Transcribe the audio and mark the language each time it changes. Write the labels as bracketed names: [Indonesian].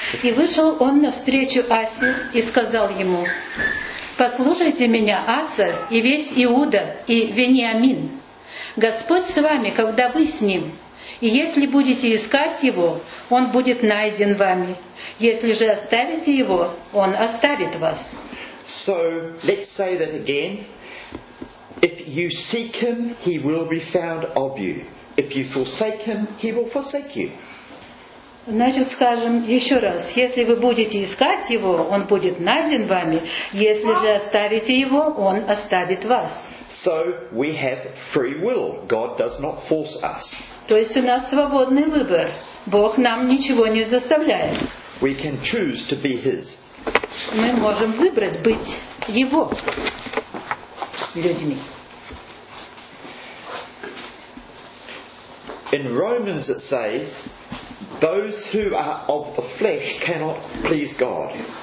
[Russian] И вышел он навстречу Асе и сказал ему: «Послушайте меня, Аса, и весь Иуда, и Вениамин. Господь с вами, когда вы с ним. И если будете искать его, он будет найден вами. Если же оставите его, он оставит вас». [English] So, let's say that again. If you seek him, he will be found of you. If you forsake him, he will forsake you. [Russian] Значит, скажем еще раз, если вы будете искать его, он будет найден вами, если же оставите его, он оставит вас. [English] So we have free will. God does not force us. [Russian] То есть у нас свободный выбор. Бог нам ничего не заставляет. [English] We can choose to be his. [Russian] Мы можем выбрать быть его людьми. [English] In Romans it says, those who are of the flesh cannot please God.